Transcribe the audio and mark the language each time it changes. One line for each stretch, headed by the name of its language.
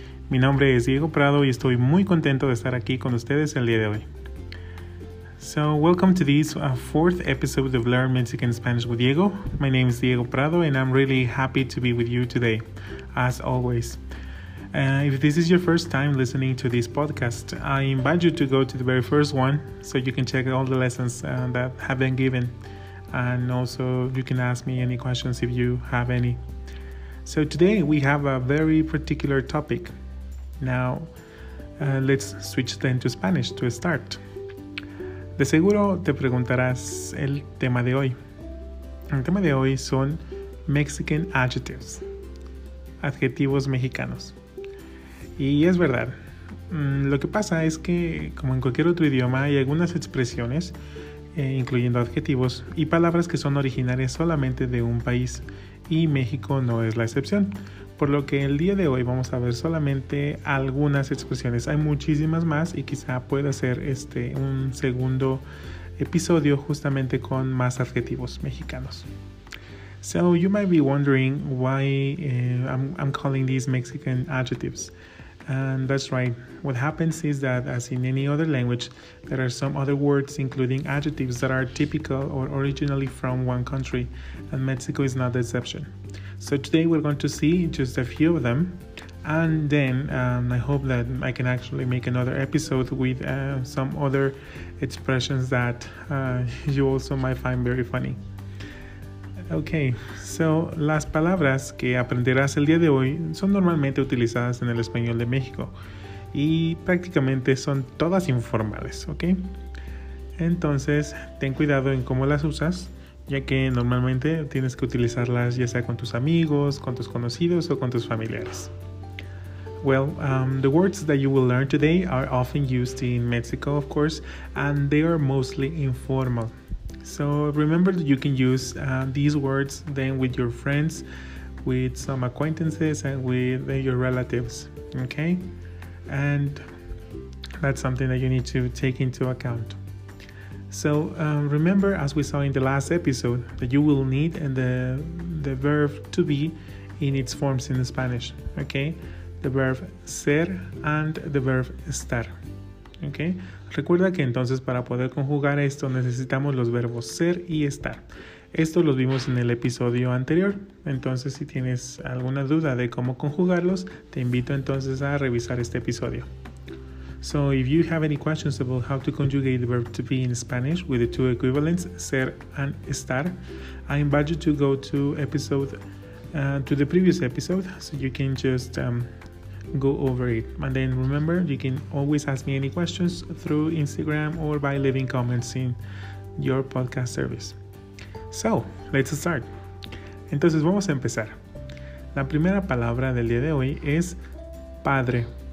Spanish: Mi nombre es Diego Prado y estoy muy contento de estar aquí con ustedes el día de hoy.
English: So welcome to this fourth episode of Learn Mexican Spanish with Diego. My name is Diego Prado and I'm really happy to be with you today, as always. If this is your first time listening to this podcast, I invite you to go to the very first one so you can check all the lessons that have been given. And also you can ask me any questions if you have any. So today we have a very particular topic. Now, let's switch then to Spanish to start.
Spanish: De seguro te preguntarás el tema de hoy. El tema de hoy son
English: Mexican adjectives,
Spanish: adjetivos mexicanos. Y es verdad. Lo que pasa es que, como en cualquier otro idioma, hay algunas expresiones, incluyendo adjetivos y palabras que son originarias solamente de un país, y México no es la excepción, por lo que el día de hoy vamos a ver solamente algunas expresiones. Hay muchísimas más y quizá pueda ser un segundo episodio justamente con más adjetivos mexicanos.
English: So you might be wondering why I'm calling these Mexican adjectives. And that's right. What happens is that, as in any other language, there are some other words, including adjectives, that are typical or originally from one country, and Mexico is not the exception. So today we're going to see just a few of them, and then I hope that I can actually make another episode with some other expressions that you also might find very funny. Okay, so
Spanish: las palabras que aprenderás el día de hoy son normalmente utilizadas en el español de México y prácticamente son todas informales, ¿ok? Entonces, ten cuidado en cómo las usas, ya que normalmente tienes que utilizarlas ya sea con tus amigos, con tus conocidos o con tus familiares.
English: Well, the words that you will learn today are often used in Mexico, of course, and they are mostly informal. So remember that you can use these words then with your friends, with some acquaintances, and with your relatives, okay? And that's something that you need to take into account. So remember, as we saw in the last episode, that you will need and the verb to be in its forms in Spanish, okay? The verb ser and the verb estar. Okay.
Spanish: Recuerda que entonces para poder conjugar esto necesitamos los verbos ser y estar. Esto los vimos en el episodio anterior. Entonces, si tienes alguna duda de cómo conjugarlos, te invito entonces a revisar este episodio.
English: So, if you have any questions about how to conjugate the verb to be in Spanish with the two equivalents, ser and estar, I invite you to go to episode to the previous episode so you can just go over it. And then remember, you can always ask me any questions through Instagram or by leaving comments in your podcast service. So, let's start.
Spanish: Entonces, vamos a empezar. La primera palabra del día de hoy es padre.